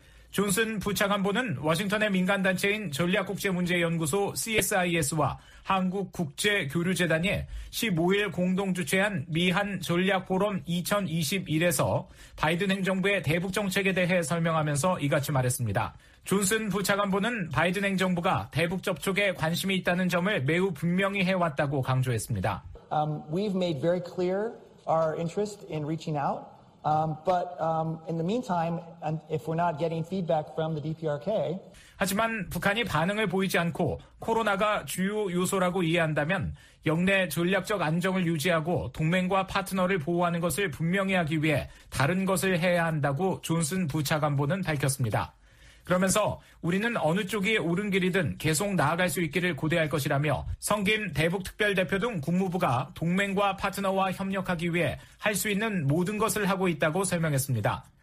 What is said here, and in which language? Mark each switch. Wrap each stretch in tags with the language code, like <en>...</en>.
<ko>존슨 부차관보는 워싱턴의 민간단체인 전략국제문제연구소 CSIS와 한국국제교류재단이 15일 공동 주최한 미한 전략포럼 2021에서 바이든 행정부의 대북정책에 대해 설명하면서 이같이 말했습니다. 존슨 부차관보는 바이든 행정부가 대북 접촉에 관심이 있다는 점을 매우 분명히 해왔다고 강조했습니다.</ko> <en>We've made very clear our interest in reaching out. In the meantime, if we're not getting feedback from the DPRK,</en> <ko>하지만 북한이 반응을 보이지 않고 코로나가 주요 요소라고 이해한다면 역내 전략적 안정을 유지하고 동맹과 파트너를 보호하는 것을 분명히 하기 위해 다른 것을 해야 한다고 존슨 부차관보는 밝혔습니다. 그러면서 우리는 어느 쪽이 옳은 길이든 계속 나아갈 수 있기를 고대할 것이라며 성 김 대북특별대표 등 국무부가 동맹과 파트너와 협력하기 위해 할 수 있는 모든 것을 하고 있다고 설명했습니다.</ko>